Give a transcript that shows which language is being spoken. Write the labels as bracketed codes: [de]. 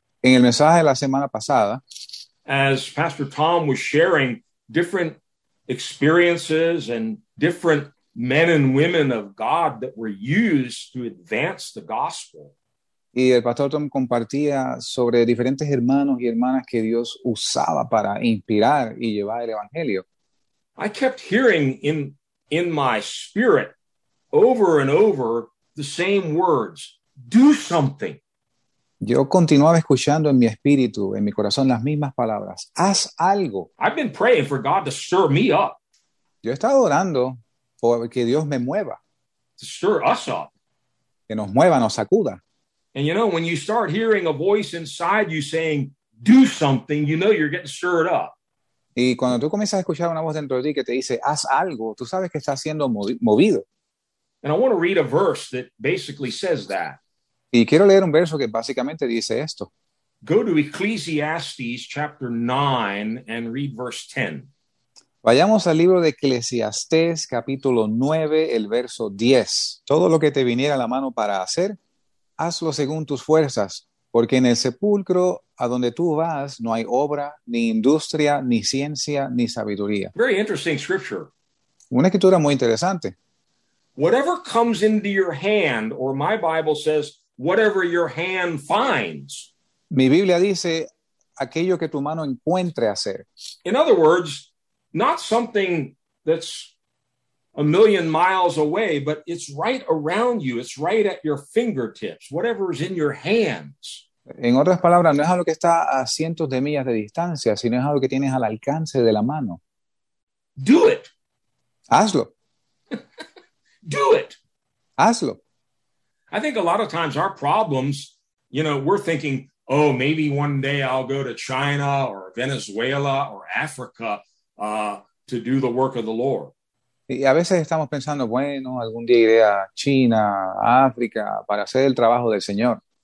[es] en el mensaje de la semana pasada, [en] as Pastor Tom was sharing different experiences and different men and women of God that were used to advance the gospel. [es] Y el Pastor Tom compartía sobre diferentes hermanos y hermanas que Dios usaba para inspirar y llevar el evangelio. [en] I kept hearing in my spirit over and over the same words, do something. [es] Yo continuaba escuchando en mi espíritu, en mi corazón, las mismas palabras. Haz algo. [en] I've been praying for God to stir me up. [es] Yo he estado orando por que Dios me mueva. [en] To stir us up. [es] Que nos mueva, nos sacuda. [en] And you know, when you start hearing a voice inside you saying, do something, you know you're getting stirred up. [es] Y cuando tú comienzas a escuchar una voz dentro de ti que te dice, haz algo, tú sabes que estás siendo movido. [en] And I want to read a verse that basically says that. [es] Y quiero leer un verso que básicamente dice esto. [en] Go to Ecclesiastes chapter 9 and read verse 10. [es] Vayamos al libro de Eclesiastés capítulo 9, el verso 10. Todo lo que te viniera a la mano para hacer, hazlo según tus fuerzas, porque en el sepulcro a donde tú vas no hay obra, ni industria, ni ciencia, ni sabiduría. [en] Very interesting scripture. [es] Una escritura muy interesante. [en] Whatever comes into your hand, or my Bible says, whatever your hand finds. [es] Mi Biblia dice aquello que tu mano encuentre hacer. [en] In other words, not something that's a million miles away, but it's right around you. It's right at your fingertips. Whatever is in your hands. [es] En otras palabras, no es algo que está a cientos de millas de distancia, sino es algo que tienes al alcance de la mano. [en] Do it. [es] Hazlo. [en] Do it. [es] Hazlo. [en] I think a lot of times our problems, you know, we're thinking, oh, maybe one day I'll go to China or Venezuela or Africa to do the work of the Lord. [es] Y a veces estamos pensando, bueno, algún día iré a China, África, para hacer el trabajo del Señor.